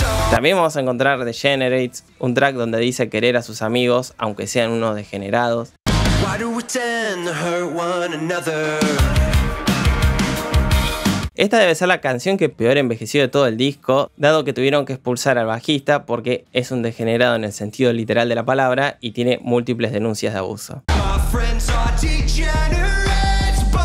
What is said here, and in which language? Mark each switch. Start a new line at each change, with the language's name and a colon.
Spanish: También vamos a encontrar The Generates, un track donde dice querer a sus amigos, aunque sean unos degenerados.
English: Why do we tend to hurt one another?
Spanish: Esta debe ser la canción que peor envejeció de todo el disco, dado que tuvieron que expulsar al bajista porque es un degenerado en el sentido literal de la palabra y tiene múltiples denuncias de abuso.
English: My friends are degenerates,